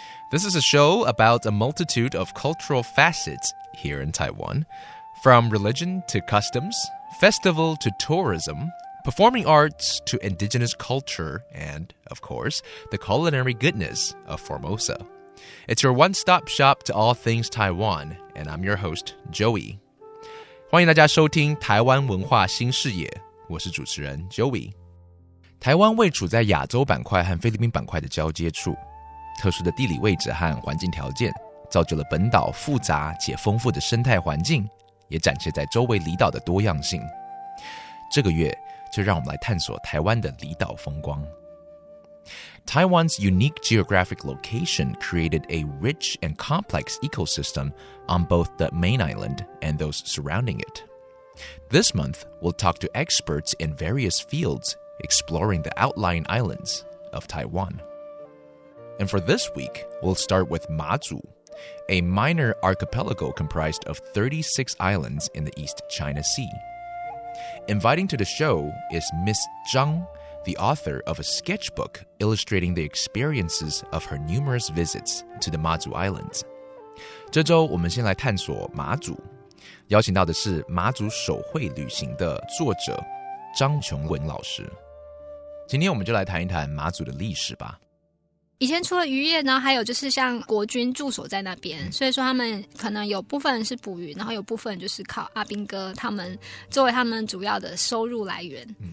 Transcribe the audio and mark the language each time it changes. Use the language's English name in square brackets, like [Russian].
[English] This is a show about a multitude of cultural facets here in Taiwan, from religion to customs, festival to tourism, performing arts to indigenous culture, and, of course, the culinary goodness of Formosa. It's your one-stop shop to all things Taiwan, and I'm your host, Joey. [Chinese] 欢迎大家收听台湾文化新视野，我是主持人 Joey。台湾位处在亚洲板块和菲律宾板块的交接处，特殊的地理位置和环境条件造就了本岛复杂且丰富的生态环境，也展现在周围离岛的多样性。这个月就让我们来探索台湾的离岛风光。 [English] Taiwan's unique geographic location created a rich and complex ecosystem on both the main island and those surrounding it. This month, we'll talk to experts in various fieldsexploring the outlying islands of Taiwan. And for this week, we'll start with Matzu, a minor archipelago comprised of 36 islands in the East China Sea. Inviting to the show is Miss Zhang, the author of a sketchbook illustrating the experiences of her numerous visits to the Matzu Islands. [Chinese] 这周我们先来探索马祖，邀请到的是马祖手绘旅行的作者张琼文老师。今天我们就来谈一谈马祖的历史吧。以前除了渔业呢，还有就是像国军驻守在那边，所以说他们可能有部分是捕鱼，然后有部分就是靠阿兵哥他们作为他们主要的收入来源。